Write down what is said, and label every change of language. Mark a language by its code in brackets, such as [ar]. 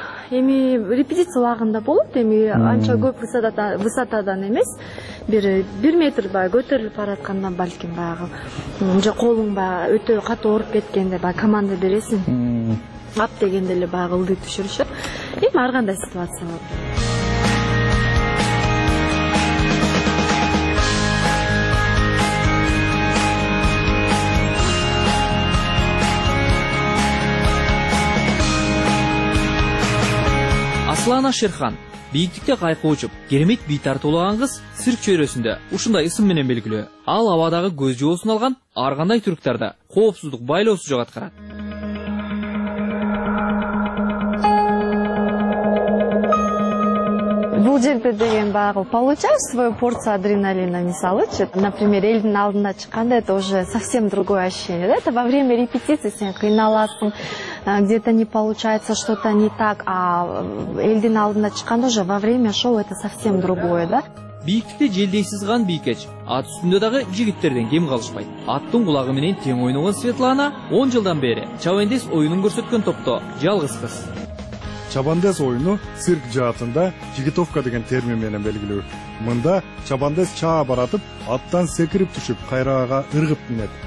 [ky] Эми репетиция убагында болот, эми анча көп высотадан эмес. Бир метр баягы көтөрүлүп баратканда балким баягы же колуң баягы өтө катуу ооруп кеткенде баягы команда бересиң ап дегенде эле баягы ылдый түшүрүшөт. Эми ар кандай ситуация болот. Аслана Шерхан бийиктикте кайка учуп керемет бий тартуулаган кыз цирк чөйрөсүндө ушундай ысым менен белгилүү. Ал абадагы көз жоосун алган ар кандай түрктарды коопсуздук байлоосу жок аткарат. Бул жерде деген баягы [ru] получаешь свою порцию адреналина, [ky] мисалычы, [ru] например, [ky] элдин алдына чыкканда [ru] это уже совсем другое ощущение. Да? Это во время репетиции [ky] сен кыйналасың. [ru] Где-то не получается, что-то не так, а [ky] элдин алдына чыкканда [ru] уже во время шоу это совсем другое, да? [ky] Бийиктикте желдей сызган бийкеч, ат үстүндө дагы жигиттерден кем калышпайт. Аттын кулагы менен тең ойногон Светлана 10 жылдан бери Чавандес оюнун көрсөткөн топто жалгыз кыз. Чавандес оюну цирк жаатында жигитовка деген термин менен белгилүү. Мында чавандес чаа баратып, аттан секирип түшүп, кайраага ыргып минет.